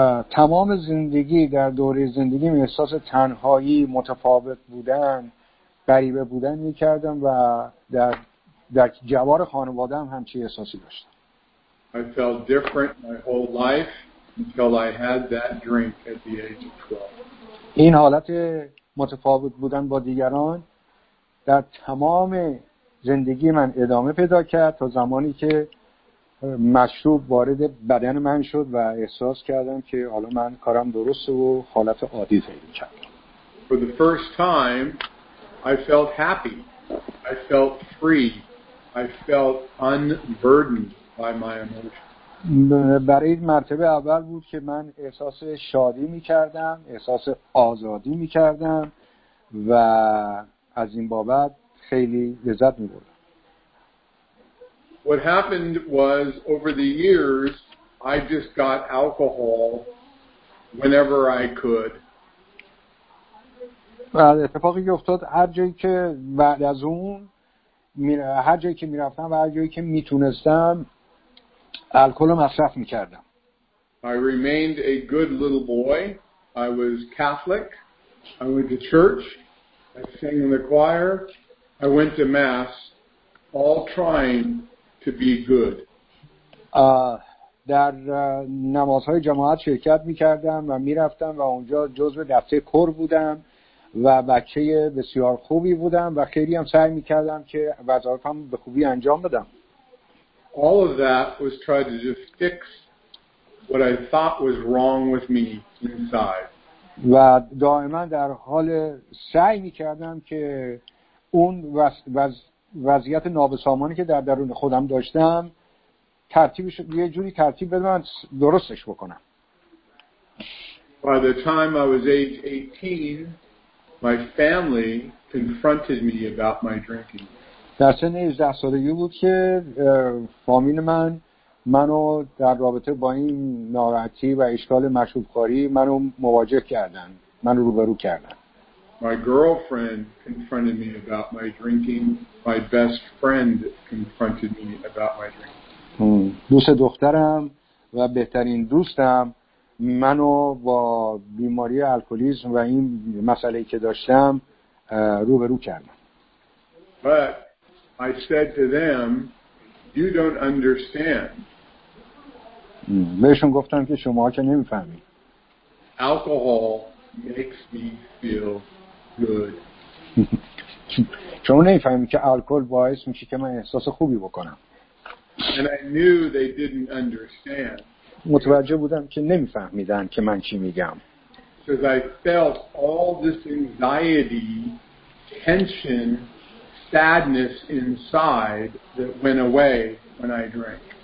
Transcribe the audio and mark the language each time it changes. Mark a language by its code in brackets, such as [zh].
[fa] تمام زندگی در دوره زندگی من احساس تنهایی، متفاوت بودن، غریبه بودن می‌کردم و در جوار خانواده هم همچی احساسی داشتم. [en] I felt different my whole life until I had that drink at the age of 12. [fa] این حالت متفاوت بودن با دیگران در تمام زندگی من ادامه پیدا کرد تا زمانی که مشروب وارد بدن من شد و احساس کردم که حالا من کارم درسته و حالت عادی پیدا کردم. [en] For the first time I felt happy. I felt free. I felt unburdened by my emotions. [fa] برای مرتبه اول بود که من احساس شادی می‌کردم، احساس آزادی می‌کردم و از این بابت خیلی لذت می‌بردم. [en] What happened was over the years I just got alcohol whenever I could. [fa] بعد اتفاقی افتاد هر جایی که بعد از اون هر جایی که می‌رفتم و هر جایی که می‌تونستم الکل رو مصرف می‌کردم. [en] I remained a good little boy. I was Catholic. I went to church. I sang in the choir. I went to mass, all trying to be good. [fa] در نمازهای جماعت شرکت می‌کردم و می‌رفتم و اونجا جزء دسته کور بودم و بچه بسیار خوبی بودم و خیلی هم سعی می‌کردم که وظایفم به خوبی انجام بدم. [en] All of that was trying to just fix what I thought was wrong with me inside. [fa] و دائما در حال سعی می‌کردم که اون وضعیت نابسامانی که در درون خودم داشتم ترتیبش یه جوری ترتیب بدم درستش بکنم. [en] By the time I was age 18, my family confronted me about my drinking. [fa] در سن 18 سالگی بود که فامیل من منو در رابطه با این ناراحتی و اشکال مشروب‌خواری منو مواجه کردن، منو روبرو کردن. [en] My girlfriend confronted me about my drinking. My best friend confronted me about my drinking. [fa] دوست دخترم و بهترین دوستم منو با بیماری الکلیسم و این مسئله‌ای که داشتم روبرو کردن. [en] But I said to them, you don't understand. [fa] بهشون گفتم که شما که نمیفهمید. [en] Alcohol makes me feel good. [fa] شما نمیفهمید که الکل باعث میشه که من احساس خوبی بکنم. [en] And I knew they didn't understand. [fa] متوجه بودم که نمیفهمیدن که من چی میگم. [en] Because I felt all this anxiety, tension, sadness inside that went away when I drank.